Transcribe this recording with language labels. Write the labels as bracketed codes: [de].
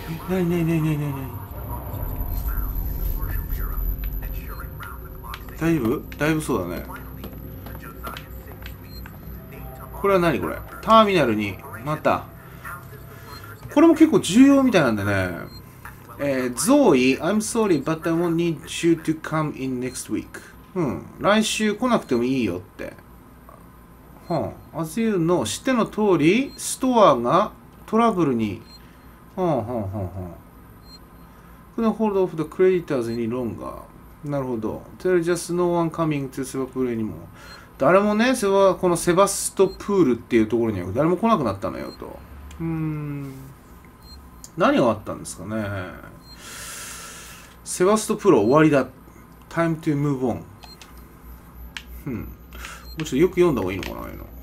[ja] なになになになになになに、だいぶだいぶそうだね。これは何これ。ターミナルに、またこれも結構重要みたいなんでね。 [en] ゾーイ、I'm sorry, but I won't need you to come in next week. [ja] うん、来週来なくてもいいよって。はぁ、あ、 [en] As you know, [ja] 知っての通り、ストアがトラブルに。はぁ、あ、はぁ、あ、はぁ、あ、はぁ。 [en] Couldn't hold off the creditors any longer. [ja] なるほど。 [en] There is just no one coming to Sevastopol anymore. [ja] 誰もね、このセバストプールっていうところには誰も来なくなったのよと。何があったんですかね。セバストプロ終わりだ。 [en] Time to move on。 [ja] もうちょっとよく読んだ方がいいのかな、今の。